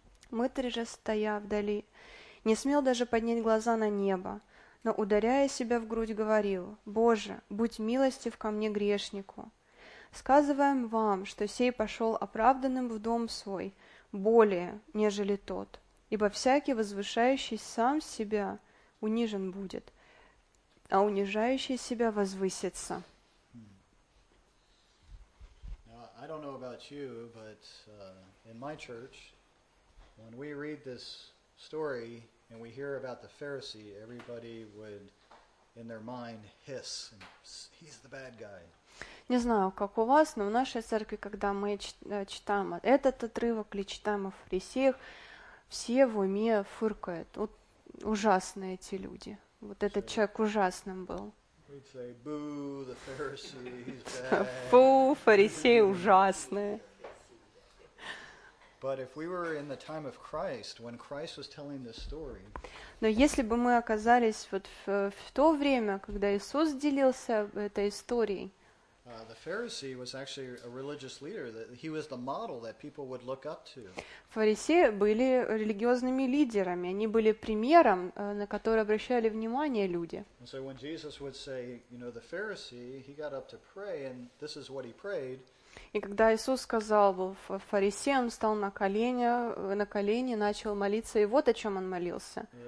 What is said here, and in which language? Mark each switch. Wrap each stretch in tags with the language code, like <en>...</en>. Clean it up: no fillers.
<ru>Мытарь же, стоя вдали, не смел даже поднять глаза на небо, но, ударяя себя в грудь, говорил: «Боже, будь милостив ко мне, грешнику! Сказываем вам, что сей пошел оправданным в дом свой более, нежели тот, ибо всякий, возвышающий сам себя, унижен будет, а унижающий себя возвысится».</ru> <en>Now, I don't know about you, but in my church, when we read this story, and we hear about the Pharisee, everybody would, in their mind, hiss. And he's the bad guy.</en> <ru>Не знаю, как у вас, но в нашей церкви, когда мы читаем этот отрывок или читаем о фарисеях, все в уме фыркают. Вот ужасные эти люди. Вот этот человек ужасным был.</ru> <en>We'd say, boo, the Pharisee, he's bad.</en> <ru>Фу, фарисеи ужасные.</ru> <en>But if we were in the time of Christ, when Christ was telling this story,</en> <ru>но если бы мы оказались вот в то время, когда Иисус делился этой историей,</ru> <en>the Pharisee was actually a religious leader. He was the model that people would look up to.</en> <ru>Фарисеи были религиозными лидерами. Они были примером, на который обращали внимание люди.</ru> <en>And so when Jesus would say, you know, the Pharisee, he got up to pray, and this is what he prayed.</en> <ru>И когда Иисус сказал фарисеям, он встал на колени, начал молиться, и вот о чем он молился.</ru>